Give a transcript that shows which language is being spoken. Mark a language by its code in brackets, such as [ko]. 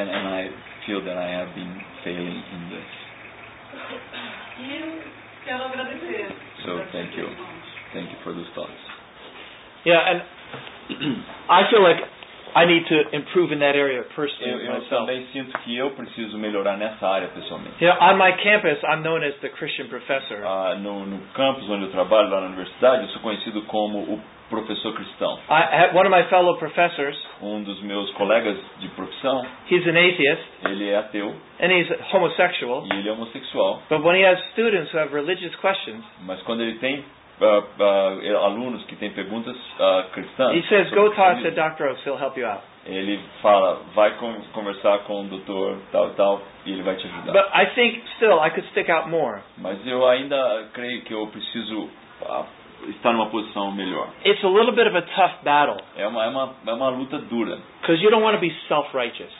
[en] And I feel that I have been failing in this. So thank you for those thoughts. Yeah, and I feel like I need to improve in that area personally myself. [pt] Eu preciso melhorar nessa área pessoalmente. [en] Yeah, on my campus, I'm known as the Christian professor. [pt] No campus onde eu trabalho lá na universidade, eu sou conhecido como o professor cristão. [en] One of my fellow professors. [pt] Um dos meus colegas de profissão. [en] He's an atheist. [pt] Ele é ateu. [en] And he's homosexual. [pt] E ele é homossexual. [en] But when he has students who have religious questions. [pt] Mas quando ele tem alunos que têm perguntas cristãs. [en] He says, go talk to Dr. Oaks, he'll help you out. [pt] Ele fala, vai conversar com o doutor tal e tal e ele vai te ajudar. [en] But I think still I could stick out more. [pt] Mas eu ainda creio que eu preciso estar numa posição melhor. [en] It's a little bit of a tough battle. [pt] É uma luta dura. [en] Because you don't want to be self-righteous.